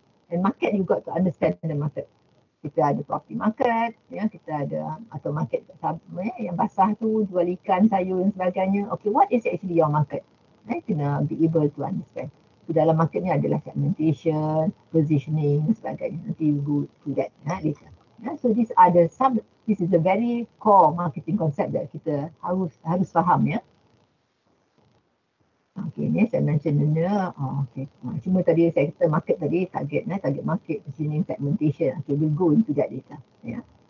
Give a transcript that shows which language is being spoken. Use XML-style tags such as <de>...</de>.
<en>And market, you got to understand the market.</en> <ms>Kita ada property market, ya, kita ada atau market yang basah tu, jual ikan, sayur dan sebagainya.</ms> <en>Okay, what is actually your market? Kena be able to understand.</en> <ms>So, dalam market ni adalah segmentation, positioning dan sebagainya.</ms> <en>Nanti you go to that later. Yeah, so, these are the sub, this is a very core marketing concept that</en> <ms>kita harus faham, ya.</ms> <en>Yeah?</en> <ms>Okay, ni saya mentioned, cuma tadi saya kata market tadi, target, target market, positioning, segmentation.</ms> <en>Okay, we'll go into that data. Yeah.</en>